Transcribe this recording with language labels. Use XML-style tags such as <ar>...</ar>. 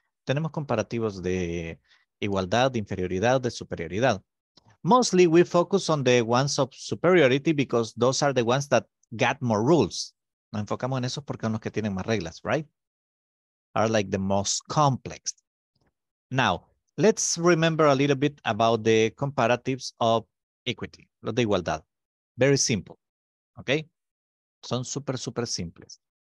<es>Tenemos comparativos de igualdad, de inferioridad, de superioridad.</es> <en>Mostly, we focus on the ones of superiority because those are the ones that got more rules.</en> <es>Nos enfocamos en esos porque son los que tienen más reglas,</es> <en>right? Are like the most complex. Now, let's remember a little bit about the comparatives of equity,</en> <es>los de igualdad.</es> <en>Very simple, okay?</en> <es>Son super, super simples.</es>